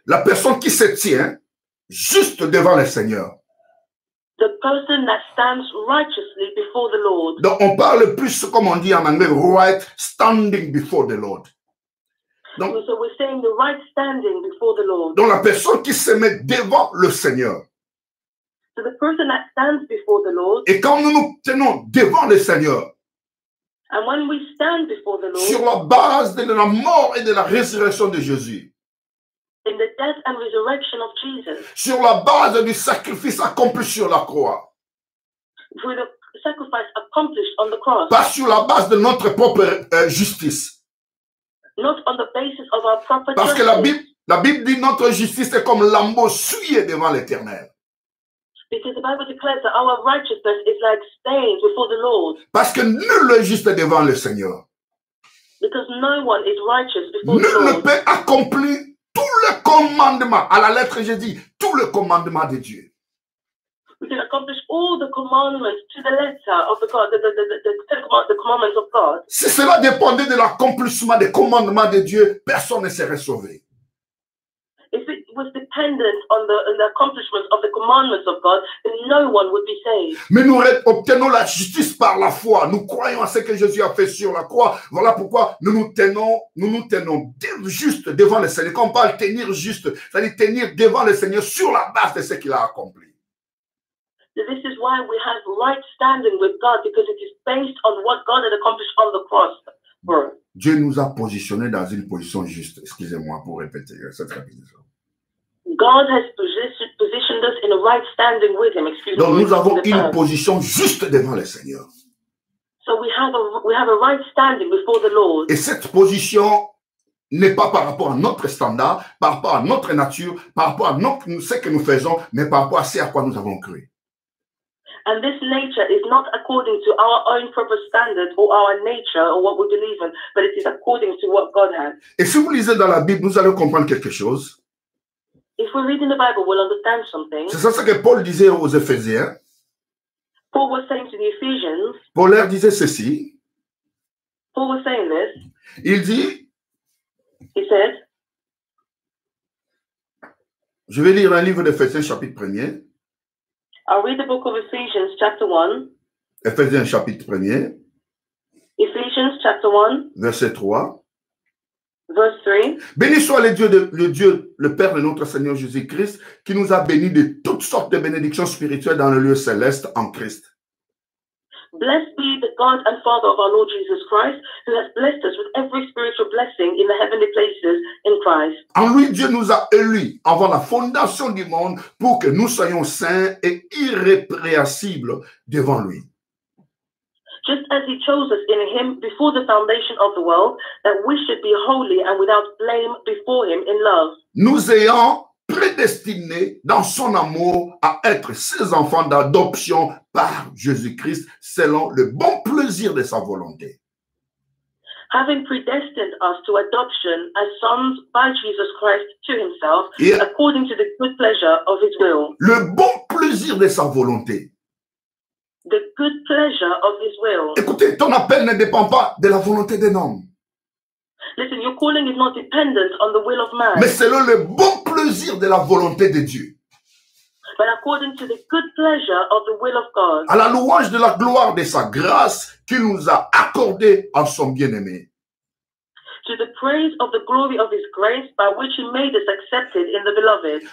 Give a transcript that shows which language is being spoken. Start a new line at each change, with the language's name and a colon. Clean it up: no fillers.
French: La personne qui se tient juste devant le Seigneur.
English: The person that stands righteously before the Lord.
French: Donc on parle plus comme on dit en anglais
English: right standing before the Lord.
French: Donc,
English: so we're saying the right standing before the Lord.
French: Donc la personne qui se met devant le Seigneur.
English: So the person that stands before the Lord,
French: et quand nous nous tenons devant le Seigneur,
English: and when we stand before the Lord,
French: sur la base de la mort et de la résurrection de Jésus,
English: in the death and resurrection of Jesus,
French: sur la base du sacrifice accompli sur la croix,
English: with the sacrifice accomplished on the cross,
French: pas sur la base de notre propre justice,
English: not on the basis of our proper justice,
French: parce que la Bible dit notre justice est comme lambeau souillé devant l'Éternel.
English: Because the Bible declares that our righteousness is like stained before the Lord.
French: Parce que nul est juste devant le Seigneur.
English: Because no one is righteous before the Lord.
French: Nul ne peut accomplir tous les commandements à la lettre, je dis, tous les commandements de Dieu.
English: We can accomplish all the commandments to the letter of the God, the commandments of God.
French: Si cela dépendait de l'accomplissement des commandements de Dieu, personne ne serait sauvé.
English: If it was dependent on the accomplishment of the commandments of God, then no one would be saved.
French: Mais nous obtenons la justice par la foi. Nous croyons à ce que Jésus a fait sur la croix. Voilà pourquoi nous nous tenons juste devant le Seigneur. Quand on parle tenir juste, c'est-à-dire tenir devant le Seigneur sur la base de ce qu'il a accompli.
English: This is why we have right standing with God, because it is based on what God had accomplished on the cross.
French: Dieu nous a positionnés dans une position juste. Excusez-moi pour répéter cette répétition.
English: God has positioned us in a right standing with Him. Excuse
French: Donc
English: me,
French: nous avons une position juste devant le Seigneur.
English: So we have a right standing before the Lord.
French: Et cette position n'est pas par rapport à notre standard, par rapport à notre nature, par rapport à ce que nous faisons, mais par rapport à ce à quoi nous avons cru.
English: And this nature is not according to our own proper standard or our nature or what we believe in, but it is according to what God has.
French: Et si vous lisez dans la Bible, vous allez comprendre quelque chose.
English: If we read in the Bible, we'll understand something.
French: C'est ça ce que Paul disait aux Éphésiens.
English: Paul was saying to the Ephesians.
French: Paul leur disait ceci.
English: Paul was saying this.
French: Il dit.
English: He said.
French: Je vais lire un livre d'Éphésiens, chapitre 1er.
English: I'll read the book of Ephesians, chapter 1.
French: Ephésiens, chapitre 1.
English: Ephesians, chapter 1.
French: Verset 3.
English: Verse 3.
French: Béni soit le Père de notre Seigneur Jésus-Christ, qui nous a bénis de toutes sortes de bénédictions spirituelles dans le lieu céleste en Christ.
English: Blessed be the God and Father of our Lord Jesus Christ, who has blessed us with every spiritual blessing in the heavenly places in Christ.
French: En lui, Dieu nous a élus avant la fondation du monde pour que nous soyons saints et irrépréhensibles devant lui.
English: Just as he chose us in him before the foundation of the world, that we should be holy and without blame before him in love.
French: Nous ayant prédestiné dans son amour à être ses enfants d'adoption par Jésus-Christ selon le bon plaisir de sa volonté.
English: Having predestined us to adoption as sons by Jesus Christ to himself, et according to the good pleasure of his will.
French: Le bon plaisir de sa volonté.
English: The good pleasure of his will.
French: Écoutez, ton appel ne dépend pas de la volonté d'un homme.
English: Listen, your calling is not dependent on the will of man.
French: Mais selon le bon plaisir de la volonté de Dieu.
English: But according to the good pleasure of the will of God.
French: À la louange de la gloire de sa grâce qu'il nous a accordée en son bien-aimé.
English: To the praise of the glory of his grace by which he made us accepted in the beloved.